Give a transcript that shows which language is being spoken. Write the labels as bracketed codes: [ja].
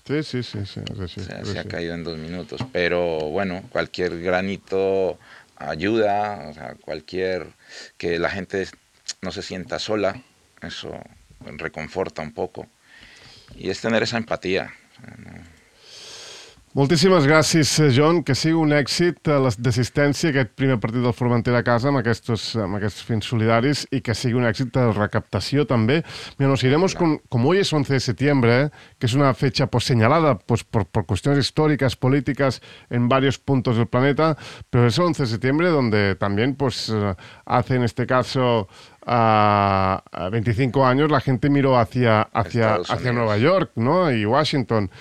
[es] Sí, ha caído en 2 minutos. Pero bueno, cualquier granito ayuda, o sea, cualquier que la gente no se sienta sola, eso reconforta un poco. Y es tener esa empatía. [ca] Moltíssimes gràcies, John. Que sigui un èxit d'assistència aquest primer partit del Formentera a casa amb aquests fins solidaris i que sigui un èxit de recaptació també. [es] Mira, nos iremos com hoy es 11 de septiembre, que és una fecha pues, señalada pues, por cuestiones históricas, políticas, en varios puntos del planeta, pero es 11 de septiembre donde también pues, hace en este caso a 25 años la gente miró hacia Nueva York, ¿no? Y Washington.